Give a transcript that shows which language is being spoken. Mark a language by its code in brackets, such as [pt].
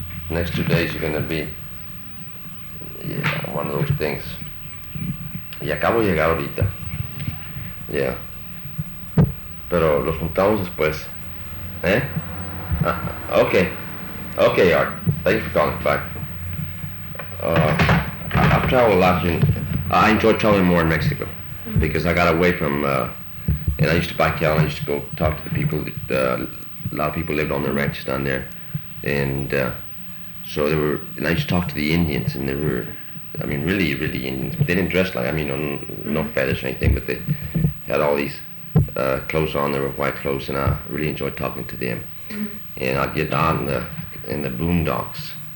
[en] Next 2 days you're gonna be, yeah, one of those things. [es] Y acabo de llegar ahorita. Yeah. Pero los juntamos después. ¿Eh? Ah, okay. Okay, Art. [en] Thank you for calling back. I've traveled a lot in, I enjoy traveling more in Mexico because I got away from, and I used to buy cattle, I used to go talk to the people, that, a lot of people lived on their ranches down there, and so they were, and I used to talk to the Indians, and they were, I mean, really, really Indians, but they didn't dress like, I mean, no feathers or anything, but they had all these clothes on, they were white clothes, and I really enjoyed talking to them, and I'd get down in the boondocks.